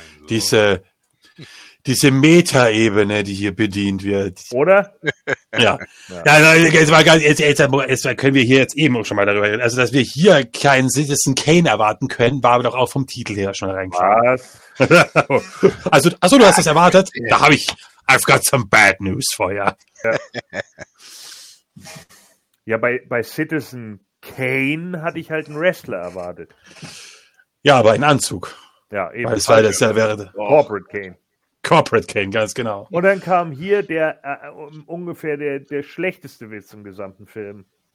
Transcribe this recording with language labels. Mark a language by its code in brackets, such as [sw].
[de] diese Meta-Ebene, die hier bedient wird. Oder? Ja. Ja. Ja, jetzt können wir hier jetzt eben schon mal darüber reden. Also, dass wir hier keinen Citizen Kane erwarten können, war aber doch auch vom Titel her schon reingeschrieben. Was? Also, du hast das erwartet? Da habe ich, [en] I've got some bad news for you. [de] Ja, bei Citizen Kane hatte ich halt einen Wrestler erwartet. Ja, aber in Anzug. Ja, eben. Weil es war das ja wäre. Corporate Kane. Corporate Kane, ganz genau. Und dann kam hier der ungefähr der schlechteste Witz im gesamten Film.